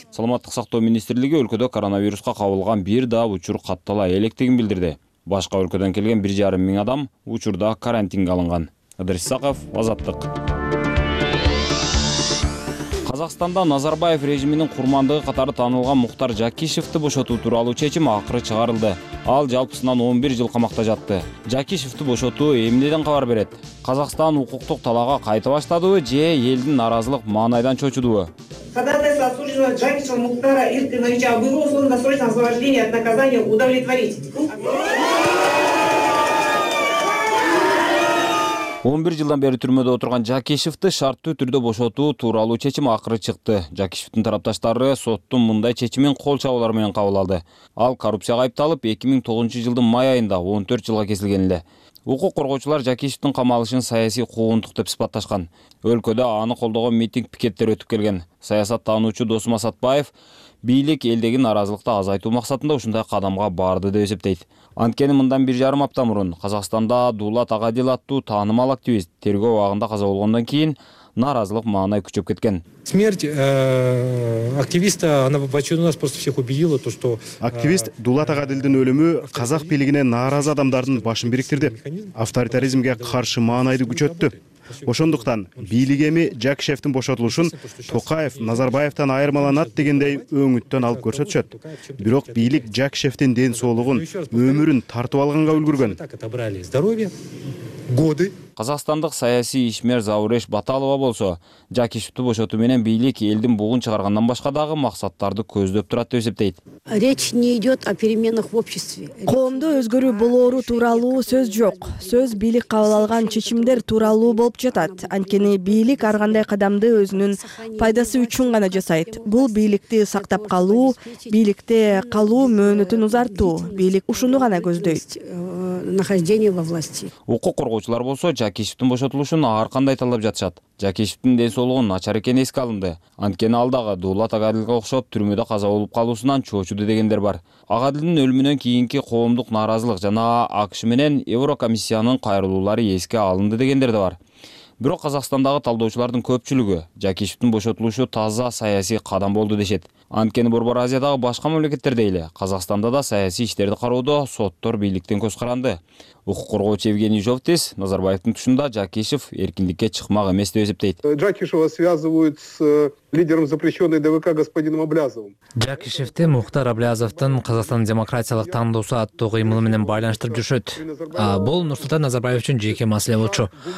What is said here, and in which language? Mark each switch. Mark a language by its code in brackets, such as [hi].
[ky] Саламаттык сактоо министрлиги өлкөдө коронавируска кабылган бир да учур каттала электигин билдирди. Башка өлкөдөн келген 1,5 000 адам учурда карантинге алынган. Адрес Саков, Азаттык. Казакстанда Назарбаев режиминин курмандыгы катары таанылган Мухтар Жакишевти бошотуу тууралуу чечим акыры чыгарылды. Ал жалпысынан 11 жыл камакта жатты. Жакишевти бошотуу эмнеден кабар берет? Казакстан укуктук талаага кайта баштадыбы же элдин нааразылык маанайдан чочудубу? [ru] Ходатайство осужденного Джакича Мухтара Иркиновича об его условно срочном освобождении от наказания удовлетворить. [ky] 11 жылдан бери түрмөдө отурган Жакишевти шарттуу түрдө бошотуу тууралуу чечим акыры чыкты. Жакишевтин тарапташтары соттун мындай чечимин кол чабуулар менен кабыл алды. Ал коррупцияга айыпталып 2009 жылдын май айында 14 жылга кесилген эле. Укук коргоочулар Жакишевтин камалышын саясий куугунтук деп сыпатташкан. Өлкөдө аны колдогон митинг пикеттер өтүп келген. Саясат таануучу Досум Асатбаев бийлик элдеги нааразылыкты азайтуу максатында ушундай кадамга барды деп эсептейт. Анткени мындан 1,5 апта мурун Казакстанда Дулат Агадил аттуу таанымал активист тергөө убагында каза болгондон кийин нааразылык маанай күчөп кеткен. [ru] Смерть активиста, она в очередной раз просто всех убедила, то что [ky] активист Дулат Агадилдин өлүмү казак бийлигине нааразы адамдардын башын бириктирди. Авторитаризмге каршы маанайды күчөттү. Ошондуктан бийлиги эми Жакишевдин бошотулушун Токаев Назарбаевтен айырмаланат дегендей өңүттөн алып көрсөтүшөт. Бирок бийлик Жакишевдин ден соолугун, өмүрүн тартып алганга үлгүргөн. Казакстандык саясий ишмер Зауреш Баталова болсо, Жакишевди бошотуу менен бийлик элдин бугун чыгаргандан башка дагы максаттарды көздөп турат деп эсептейт. [ru] Речь не идет о переменах в обществе. [ky] Коомдо өзгөрүү болоору тууралуу сөз жок. Сөз бийлик кабыл алган чечимдер тууралуу болуп жатат. Анткени бийлик ар кандай кадамды өзүнүн пайдасы үчүн гана жасайт. Бул бийликти сактап калуу, бийликте калуу мөөнөтүн узартуу. Бийлик ушуну гана көздөйт. [ru] Нахождение во власти. [ky] Укук коргоочулар болсо Жакишевдин бошотулушун ар кандай талап жатышат. Жакишевдин ден соолугу начар экени эске алынды. Анткени ал дагы Дулат Агадилге окшоп түрмөдө каза болуп калуусунан чоочуду дегендер бар. Агадилдин өлүмүнөн кийинки коомдук нааразылык жана АКШ менен Еврокомиссиянын кайрылуулары эске алынды дегендер да бар. Бирок Казакстандагы талдоочулардын көпчүлүгү Жакишевдин бошотулушу таза саясий кадам болду дешет. Анткени Борбор Азиядагы башка мамлекеттерде эле Казакстанда да саясий иштерди кароодо соттор бийликтен көз каранды. Укук коргоочу Евгений Жовтис Назарбаевдин тушунда Жакишев эркиндикке чыкмак эмес деп эсептейт. [ru] Жакишева связывают с лидером запрещенной ДВК господином Аблязовым. [ky] Жакишевти Мухтар Аблязовдун Казакстандын демократиялык тандоосу аттуу кыймылы менен байланыштырып жүрүшөт. Бул Нурсултан Назарбаев үчүн жеке маселе болчу.